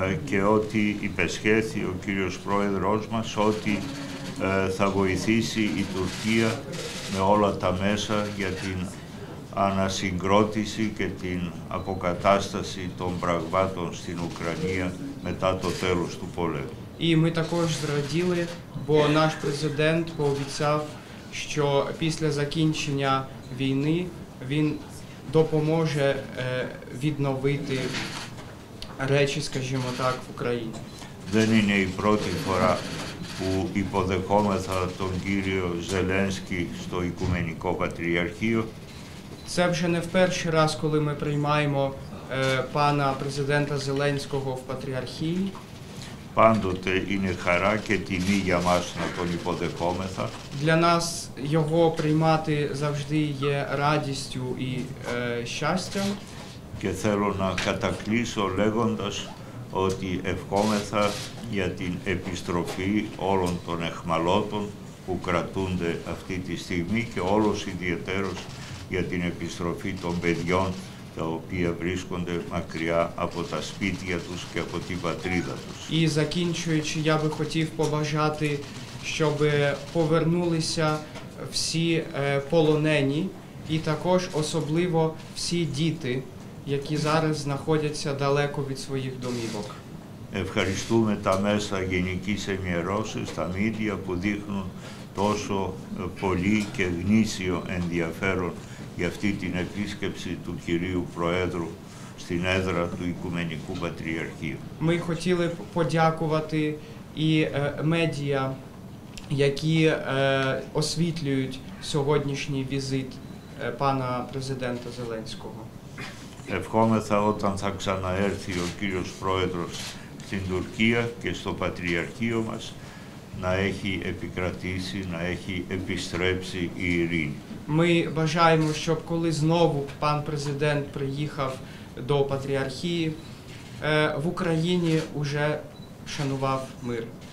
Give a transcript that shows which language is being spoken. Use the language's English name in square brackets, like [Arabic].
[Greek] Και ότι υπεσχέθη ο κύριος πρόεδρος μας ότι θα βοηθήσει η Τουρκία με όλα τα μέσα για την ανασυγκρότηση και την αποκατάσταση των πραγμάτων στην Ουκρανία μετά το τέλος του πολέμου. [Ukrainian] И мы також зраділи, бо наш президент пообіцяв, що після закінчення війни він допоможе відновити речі, скажімо так, в Україні. [Greek] Δεν είναι η πρώτη φορά που υποδεχόμεθα τον κύριο Ζελένσκι στο Οικουμενικό Πατριαρχείο. [Ukrainian] Це вже не в перший раз, коли ми приймаємо пана президента Зеленського в Патріархії. [Greek] Πάντοτε είναι χαρά και τιμή για μας να τον υποδεχόμεθα. [Ukrainian] Для нас його приймати завжди є радістю і щастям. [Greek] Και θέλω να κατακλείσω λέγοντας ότι ευχόμεθα για την επιστροφή όλων των εχμαλώτων που κρατούνται αυτή τη στιγμή και όλος ιδιαιτέρως για την επιστροφή των παιδιών τα οποία βρίσκονται μακριά από τα σπίτια τους και από την πατρίδα τους. [Ukrainian] І закінчуючи, я би хотів побажати, щоб повернулися всі полонені і також особливо всі діти, які зараз знаходяться далеко від своїх домівок. [Greek] Ευχαριστούμε τα μέσα γενικής ενημέρωσης, τα μίδια που δείχνουν τόσο πολύ και γνήσιο ενδιαφέρον για αυτή την επίσκεψη του κυρίου Προέδρου στην έδρα του Οικουμενικού Πατριαρχείου. [Ukrainian] Ми хотіли подякувати і медіа, які освітлюють сьогоднішній візит пана президента Зеленського. [Greek] Ευχόμεθα όταν θα ξαναέρθει ο κύριος Πρόεδρος στην Τουρκία και στο Πατριαρχείο μας να έχει επικρατήσει, να έχει επιστρέψει η ειρήνη. [Ukrainian] Ми бажаємо, щоб коли знову пан президент приїхав до Патріархії, в Україні вже шанував мир.